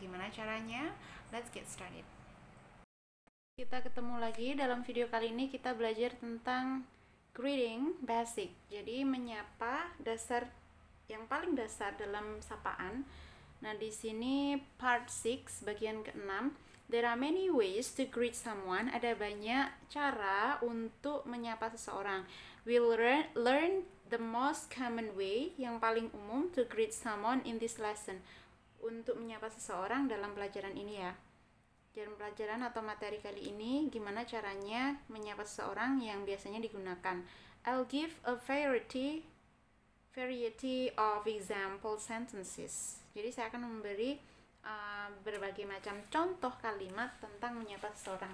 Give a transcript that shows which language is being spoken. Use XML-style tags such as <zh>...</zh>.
<id>Gimana caranya?</id> <en>Let's get started.</en> <id>Kita ketemu lagi dalam video kali ini, kita belajar tentang greeting basic. Jadi menyapa dasar, yang paling dasar dalam sapaan. Nah, di sini part 6 bagian ke-6.</id> <en>There are many ways to greet someone.</en> <id>Ada banyak cara untuk menyapa seseorang.</id> <en>We'll learn the most common way,</en> <id>yang paling umum,</id> <en>to greet someone in this lesson.</en> <id>Untuk menyapa seseorang dalam pelajaran ini ya. Dalam pelajaran atau materi kali ini, gimana caranya menyapa seseorang yang biasanya digunakan.</id> <en>I'll give a variety of example sentences.</en> <id>Jadi saya akan memberi berbagai macam contoh kalimat tentang menyapa seseorang.</id>